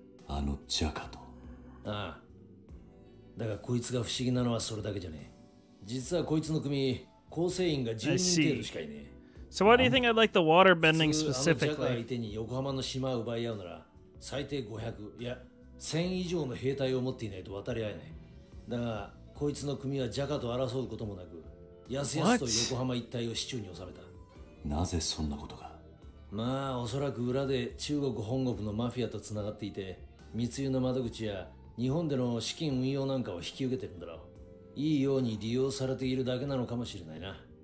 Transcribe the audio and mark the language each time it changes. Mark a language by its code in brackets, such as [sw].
[ja] あのジャカと。ああ。だがこいつが不思議なのはそれだけじゃねえ。実はこいつの組 [en] So why do you think I'd like the water bending specifically? [ja] あの、横浜の島を奪い合うなら最低500、いや1000以上の兵隊を持っていないと渡り合えない。だがこいつの組はジャカと争うこともなく、やすやすと横浜一帯を手中に収めた。なぜそんなことか。まあおそらく裏で中国本国のマフィアとつながっていて、密輸の窓口や日本での資金運用なんかを引き受けてるんだろう。いいように利用されているだけなのかもしれないな。